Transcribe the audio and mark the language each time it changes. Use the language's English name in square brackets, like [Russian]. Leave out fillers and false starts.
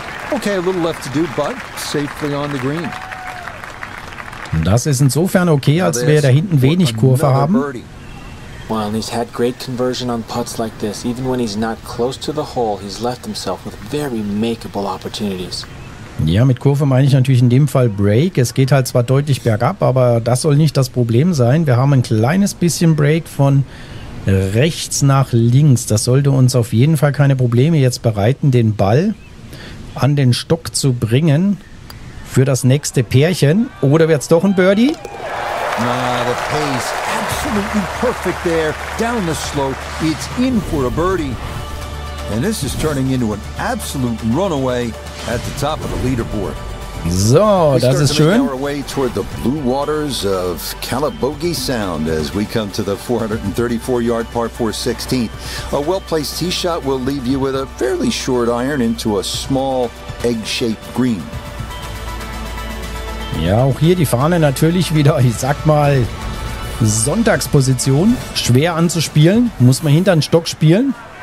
[English] Okay, a little left to do, but safely on the green. [German] Das ist insofern okay, als wir da hinten wenig Kurve haben. [English] Well, he's had great conversion on putts like this. Even when he's not close to the hole, he's left himself with very makeable opportunities. [German] Ja, mit Kurve meine ich natürlich in dem Fall Break. Es geht halt zwar deutlich bergab, aber das soll nicht das Problem sein. Wir haben ein kleines bisschen Break von rechts nach links. Das sollte uns auf jeden Fall keine Probleme jetzt bereiten, den Ball an den Stock zu bringen für das nächste Pärchen. Oder wird es doch ein Birdie? [English] Na, the pace absolutely perfect there. Down the slope, it's in for a birdie. And this is turning into an absolute runaway at the top of the leaderboard. [German] So, das ist schön. [English] We start to make our way toward the blue waters of Calabogie Sound as we come to the 434-yard par 4 16th. A well-placed tee shot will leave you with a fairly short iron into a small egg-shaped green. [German] Ja, auch hier die Fahne natürlich wieder, ich sag mal, Sonntagsposition. Schwer anzuspielen, muss man hinter den Stock spielen.